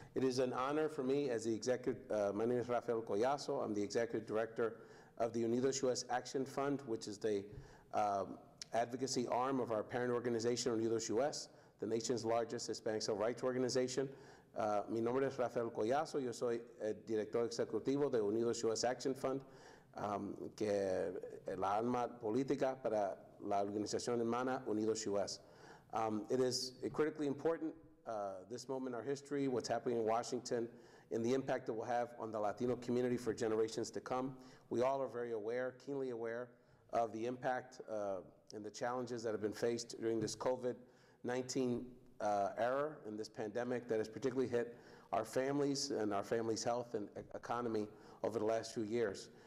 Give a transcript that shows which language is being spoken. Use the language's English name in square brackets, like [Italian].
[English] It is an honor for me as the executive, my name is Rafael Collazo. I'm the executive director of the UnidosUS Action Fund, which is the advocacy arm of our parent organization, UnidosUS, the nation's largest Hispanic civil rights organization. [Spanish] Mi nombre es Rafael Collazo. Yo soy el director ejecutivo de UnidosUS Action Fund, que es la alma política para la organización hermana UnidosUS. [English] It is critically important, this moment in our history, what's happening in Washington, and the impact it will have on the Latino community for generations to come. We all are very aware, keenly aware, of the impact and the challenges that have been faced during this COVID-19 era and this pandemic that has particularly hit our families and our families' health and economy over the last few years.